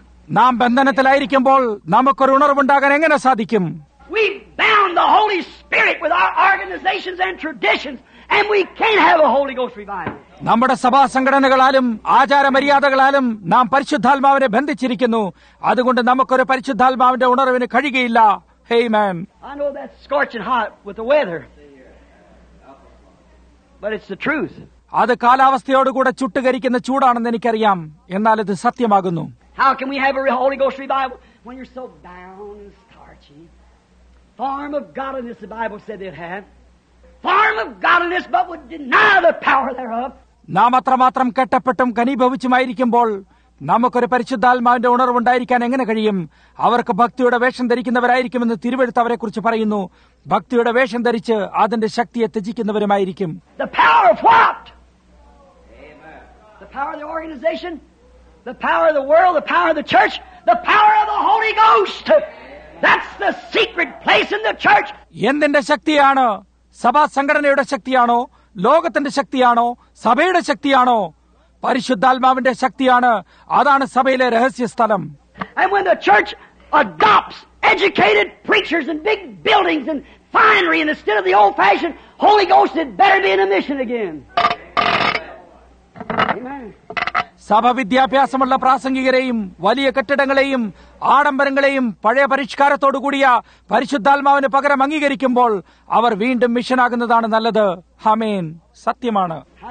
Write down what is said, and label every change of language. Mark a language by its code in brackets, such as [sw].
[ml] നാം ബന്ധനത്തിലായിരിക്കുമ്പോൾ നമുക്കൊരു ഉണർവുണ്ടാകാൻ എങ്ങനെ സാധിക്കും? [en] We bound the Holy Spirit with our organizations and traditions and we can't have a Holy Ghost revival. [ml] നമ്മുടെ സഭാ സംഘടനകളാലും ആചാരമര്യാദകളാലും നാം പരിശുദ്ധാത്മാവിനെ ബന്ധിച്ചിരിക്കുന്നു. അതുകൊണ്ട് നമുക്കൊരു പരിശുദ്ധാത്മാവിന്റെ ഉണർവിന് കഴിയുകയില്ല. [en] Hey man. I know that's scorching hot with the weather. But it's the truth. [ml] അത് കാലാവസ്ഥയോട് കൂടെ ചുട്ടുകരിക്കുന്ന ചൂടാണെന്ന് എനിക്കറിയാം. എന്നാൽ ഇത് സത്യമാകുന്നു. [en] How can we have a Holy Ghost revival when you're so bound and starchy? Form of godliness, the Bible said they'd have. Form of godliness, but would deny the power thereof. [ml] നാമത്രമാത്രം കെട്ടപ്പെട്ടും കനിഭവിച്ചുമായിരിക്കുമ്പോൾ നമുക്കൊരു പരിശുദ്ധാത്മാവിന്റെ ഉണർവുണ്ടായിരിക്കാൻ എങ്ങനെ കഴിയും? അവർക്ക് ഭക്തിയുടെ വേഷം ധരിക്കുന്നവരായിരിക്കുമെന്ന് തിരുവെഴുത്തവരെ കുറിച്ച് പറയുന്നു. ഭക്തിയുടെ വേഷം ധരിച്ച് അതിന്റെ ശക്തിയെ ത്യജിക്കുന്നവരുമായിരിക്കും. [en] The power of what? The power of the organization? The power of the world? The power of the church? The power of the Holy Ghost? That's the secret place in the church. [ml] എന്തിന്റെ ശക്തിയാണ്? സഭാ സംഘടനയുടെ ശക്തിയാണോ? ലോകത്തിന്റെ ശക്തിയാണോ? സഭയുടെ ശക്തിയാണോ? പരിശുദ്ധാത്മാവിന്റെ ശക്തിയാണ്. അതാണ് സഭയിലെ രഹസ്യസ്ഥലം. [en] And when the church adopts educated preachers and big buildings and finery instead of the old fashioned Holy Ghost, it better be in a mission again. Amen. [ml] സഭവിദ്യാഭ്യാസമുള്ള പ്രാസംഗികരെയും വലിയ കെട്ടിടങ്ങളെയും ആഡംബരങ്ങളെയും പഴയ പരിഷ്കാരത്തോടുകൂടിയ പരിശുദ്ധാത്മാവിന് പകരം അംഗീകരിക്കുമ്പോൾ അവർ വീണ്ടും മിഷനാകുന്നതാണ് നല്ലത്. ഹമേൻ. സത്യമാണ്.